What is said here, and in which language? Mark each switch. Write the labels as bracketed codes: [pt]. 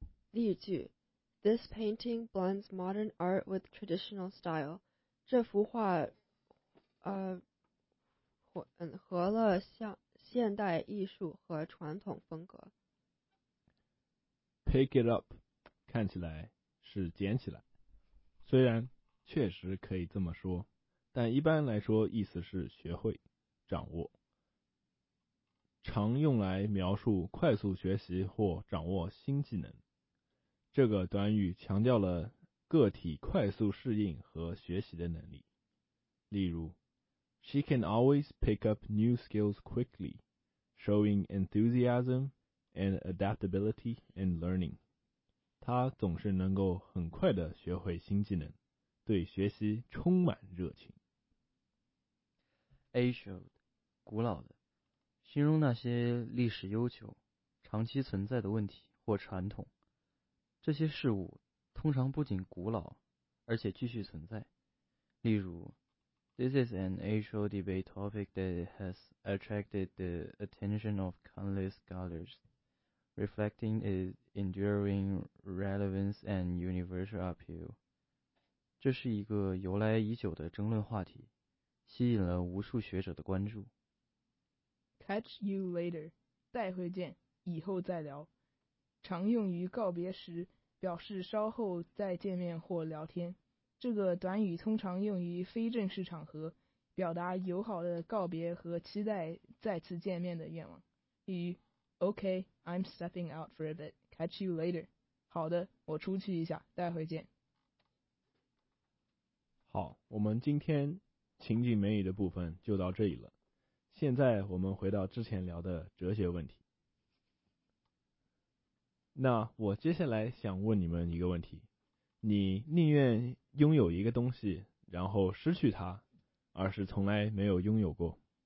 [en] 例句 This painting blends modern art with traditional style. [zh] 这幅画混合了现代艺术和传统风格。 Pick it up 看起来是捡起来，虽然确实可以这么说，但一般来说意思是学会、掌握，常用来描述快速学习或掌握新技能。这个短语强调了个体快速适应和学习的能力。 [en] 例如 She can always pick up new skills quickly, showing enthusiasm and adaptability in learning. [zh] 她总是能够很快地学会新技能，对学习充满热情。 Ancient, 古老的，形容那些历史悠久、长期存在的问题或传统。这些事物通常不仅古老，而且继续存在。 [en] 例如 This is an ancient debate topic that has attracted the attention of countless scholars, reflecting its enduring relevance and universal appeal. [zh] 这是一个由来已久的争论话题，吸引了无数学者的关注。 [en] Catch you later, [zh] 待会见，以后再聊，常用于告别时，表示稍后再见面或聊天。这个短语通常用于非正式场合，表达友好的告别和期待再次见面的愿望。 [en] 例如 Okay, I'm stepping out for a bit, catch you later. [zh] 好的，我出去一下，待会见。好，我们今天情景美语的部分就到这里了。现在我们回到之前聊的哲学问题。那我接下来想问你们一个问题：你宁愿拥有一个东西，然后失去它，而是从来没有拥有过？